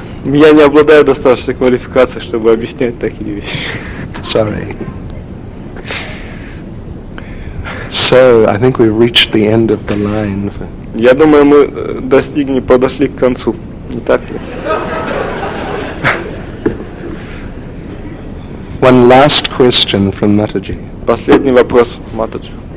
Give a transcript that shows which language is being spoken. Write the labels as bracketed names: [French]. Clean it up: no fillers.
[Russian] Я не обладаю достаточной квалификацией, чтобы объяснять такие вещи. [English] Sorry. So, I think we've reached the end of the line. [Russian] Я думаю, мы достигли, подошли к концу. Не так ли? [English] One last question from Mataji. [Russian] Последний вопрос, Матаджи.